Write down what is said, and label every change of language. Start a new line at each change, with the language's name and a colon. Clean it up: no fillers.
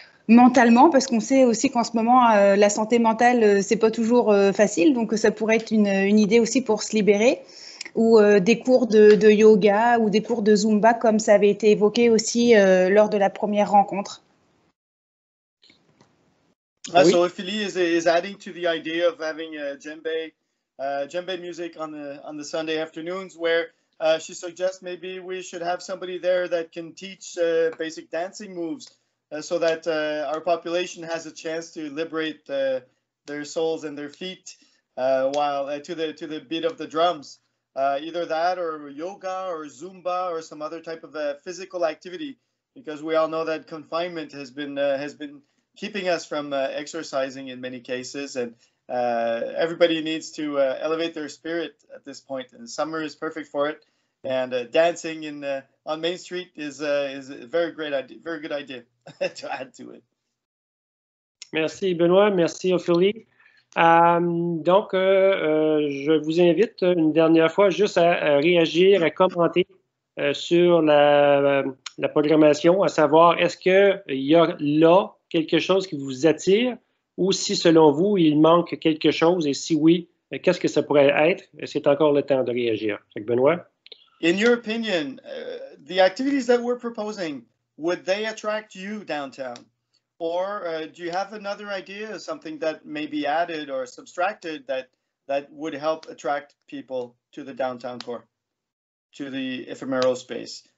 French: mentalement, parce qu'on sait aussi qu'en ce moment, la santé mentale, c'est pas toujours facile, donc ça pourrait être une idée aussi pour se libérer, ou des cours de yoga ou des cours de Zumba, comme ça avait été évoqué aussi lors de la première rencontre. Oui.
English: So Ophélie is adding to the idea of having a djembe music on the Sunday afternoons, where she suggests maybe we should have somebody there that can teach basic dancing moves. So that our population has a chance to liberate their souls and their feet to the beat of the drums. Either that or yoga or Zumba or some other type of physical activity, because we all know that confinement has been keeping us from exercising in many cases, and everybody needs to elevate their spirit at this point, and summer is perfect for it, and dancing in on Main Street is a very great idea, very good idea.
French: Merci Benoît, merci Ophélie. Je vous invite une dernière fois juste à réagir, à commenter sur la programmation, à savoir est-ce qu'il y a là quelque chose qui vous attire ou si selon vous il manque quelque chose et si oui, qu'est-ce que ça pourrait être? C'est encore le temps de réagir. Fait que Benoît?
English: In your opinion, the activities that we're proposing, would they attract you downtown? Or do you have another idea, something that may be added or subtracted that would help attract people to the downtown core, to the ephemeral space?